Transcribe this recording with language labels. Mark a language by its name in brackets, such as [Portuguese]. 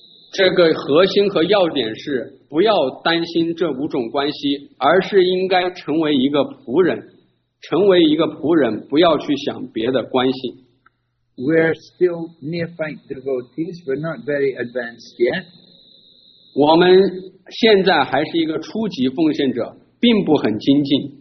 [Chinese] 这个核心和要点是不要担心这五种关系，而是应该成为一个仆人，不要去想别的关系。 [English] We're still neophyte devotees, we're not very advanced yet. [Chinese] 我们现在还是一个初级奉献者，并不很精进。